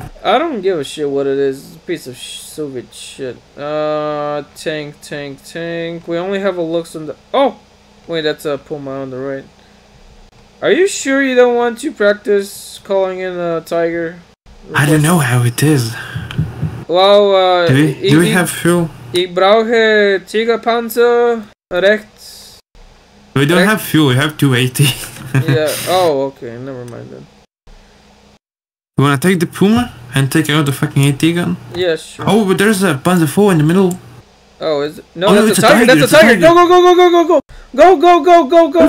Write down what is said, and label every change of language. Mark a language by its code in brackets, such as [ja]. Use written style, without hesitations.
[en] I don't give a shit what it is. It's a piece of Soviet shit. Tank. We only have a Lux on the... Oh! Wait, that's a Puma on the right. Are you sure you don't want to practice calling in a tiger? I don't know how it is. Well, Do we have fuel? [de] Ich brauche Tiger Panzer rechts. [en] We don't have fuel, we have 280. Yeah, oh, okay, never mind then. You wanna take the Puma and take out the fucking AT gun? Yes. Yeah, sure. Oh, but there's a Panzer IV in the middle. Oh, is it? No, that's a tiger. Go, go, go, go, go, go, go, go, go, go, go,